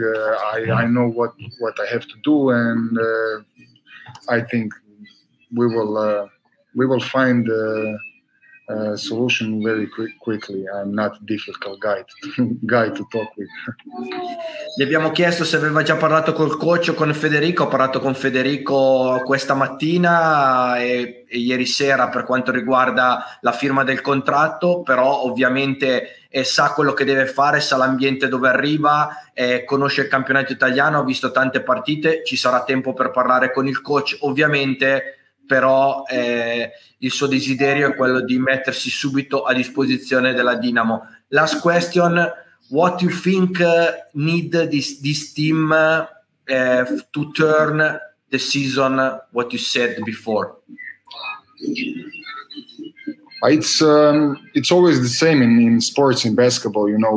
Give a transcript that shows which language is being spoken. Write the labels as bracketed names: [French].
[English] I know what I have to do, and I think we will find solution very quickly. I'm not a difficult guy to talk with. [Italian] Gli abbiamo chiesto se aveva già parlato col coach o con Federico. Ho parlato con Federico questa mattina e ieri sera per quanto riguarda la firma del contratto, però ovviamente sa quello che deve fare, sa l'ambiente dove arriva, conosce il campionato italiano, ha visto tante partite, ci sarà tempo per parlare con il coach ovviamente, però il suo desiderio è quello di mettersi subito a disposizione della Dinamo. [English] Last question, what do you think need this team to turn the season what you said before? It's always the same in sports, in basketball, you know.